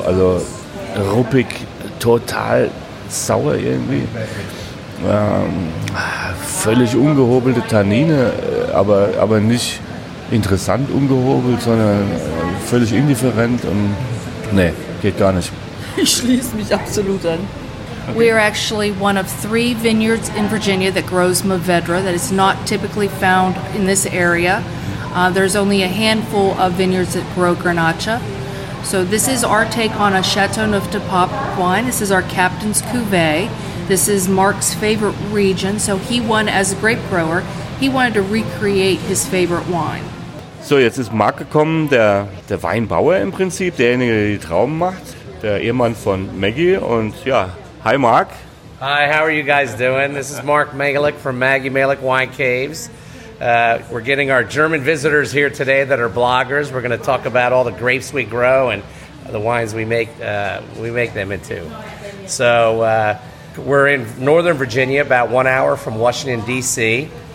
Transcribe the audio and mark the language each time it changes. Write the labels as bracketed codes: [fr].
[de] Also ruppig, total sauer irgendwie. Völlig ungehobelte Tannine, aber nicht interessant ungehobelt, sondern völlig indifferent. Und nee, geht gar nicht. Ich schließe mich absolut an. Okay. [en] We are actually one of three vineyards in Virginia that grows Mourvèdre that is not typically found in this area. There's only a handful of vineyards that grow Grenache. So this is our take on a Chateau Neuf du Pape wine. This is our captain's cuvée. This is Mark's favorite region. So he won as a grape grower. He wanted to recreate his favorite wine. [de] So, jetzt ist Mark gekommen, der Weinbauer im Prinzip, derjenige, der die Trauben macht, der Ehemann von Maggie. Und ja, hi Mark. [en] Hi, how are you guys doing? This is Mark Megalik from Maggie Megalik Wine Caves. We're getting our German visitors here today that are bloggers. We're going to talk about all the grapes we grow and the wines we make them into. So we're in Northern Virginia, about 1 hour from Washington, D.C.